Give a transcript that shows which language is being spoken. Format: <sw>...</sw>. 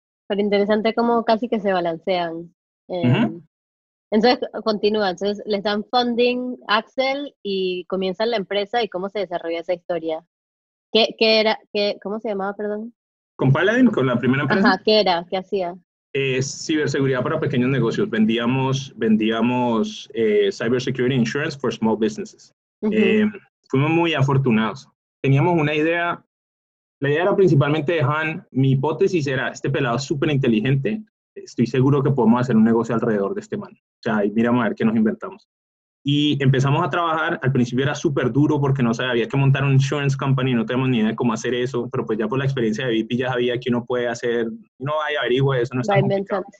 <es>Pero interesante cómo casi que se balancean. Entonces, continúa. Entonces, les dan funding a Axel y comienzan la empresa. ¿Y cómo se desarrolla esa historia? ¿Qué era? ¿Cómo se llamaba, perdón? ¿Con Paladin? ¿Con la primera empresa? Ajá, ¿qué era? ¿Qué hacía? Ciberseguridad para pequeños negocios. Vendíamos</es> <en>cybersecurity insurance for small businesses.</en> <es>Fuimos muy afortunados. Teníamos una idea. La idea era principalmente de Han. Mi hipótesis era, este pelado es súper inteligente. Estoy seguro que podemos hacer un negocio alrededor de este man. O sea, y miramos a ver qué nos inventamos. Y empezamos a trabajar. Al principio era súper duro porque no sabía, había que montar un</es> <en>insurance company,</en> <es>no teníamos ni idea de cómo hacer eso, pero pues ya por la experiencia de VIP ya sabía que uno puede hacer, no hay averigua, eso no está complicado.</es>